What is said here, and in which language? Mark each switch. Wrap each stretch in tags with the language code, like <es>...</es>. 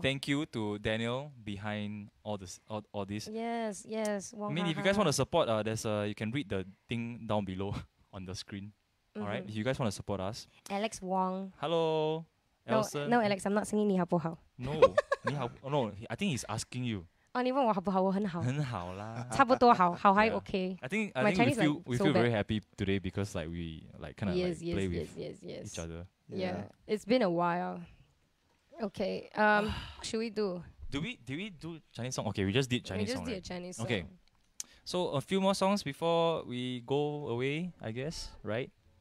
<en>Thank you to Daniel behind all this. Yes, yes. Wong I mean, if you guys want to support, you can read the thing down below on the screen. Mm-hmm. Alright, if you guys want to support us. Alex Wong. Hello. Elson. No, Alex, I'm not singing</en> <zh>你好不好.</zh> <en>No.</en> <zh>你好,</zh> <en>oh, no, I think he's asking you.</en> <zh>Oh, 你问我好不好,我很好. 很好啦. 差不多好, 好还 okay.</zh> <en>Yeah. I think we feel very happy today because like we like kind of play with each other. Yeah, it's been a while. Okay, what should we do? Do we do Chinese song? Okay, we just did Chinese song. A Chinese song. Okay, so a few more songs before we go away, I guess, right?</en>